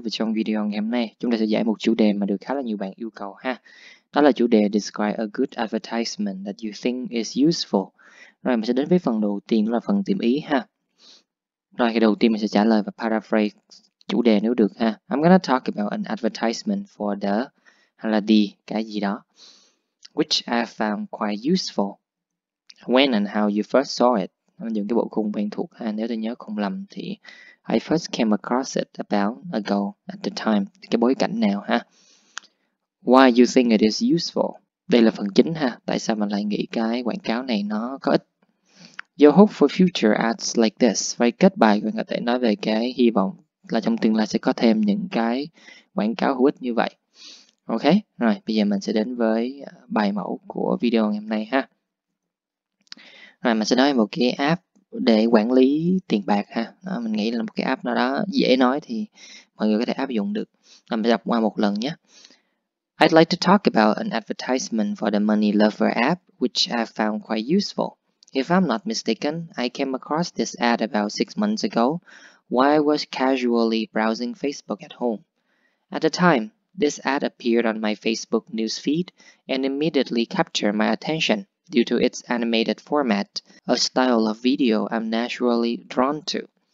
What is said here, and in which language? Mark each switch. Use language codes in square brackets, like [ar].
[vi] Và trong video ngày hôm nay, chúng ta sẽ giải một chủ đề mà được khá là nhiều bạn yêu cầu ha. Đó là chủ đề [en] Describe a good advertisement that you think is useful. [vi] Rồi mình sẽ đến với phần đầu tiên, đó là phần tìm ý ha. Rồi cái đầu tiên mình sẽ trả lời và paraphrase chủ đề nếu được ha. [en] I'm gonna talk about an advertisement for the, [vi] hay là [en] the, [vi] cái gì đó, [en] which I found quite useful when and how you first saw it. [vi] Dùng cái bộ khung quen thuộc ha. Nếu tôi nhớ không lầm thì [en] I first came across it about ago at the time. [vi] Cái bối cảnh nào ha? [en] Why you think it is useful? [vi] Đây là phần chính ha. Tại sao mình lại nghĩ cái quảng cáo này nó có ích? [en] Your hope for future ads like this. [vi] Vậy kết bài mình có thể nói về cái hy vọng là trong tương lai sẽ có thêm những cái quảng cáo hữu ích như vậy. Ok, rồi bây giờ mình sẽ đến với bài mẫu của video ngày hôm nay ha. Rồi mình sẽ nói một cái app để quản lý tiền bạc ha. Đó, mình nghĩ là một cái app nào đó dễ nói thì mọi người có thể áp dụng được. Rồi mình đọc qua một lần nhé. [en] I'd like to talk about an advertisement for the Money Lover app, which I found quite useful. If I'm not mistaken, I came across this ad about 6 months ago while I was casually browsing Facebook at home. At the time, this ad appeared on my Facebook newsfeed and immediately captured my attention due to its animated format, a style of video I'm naturally drawn to.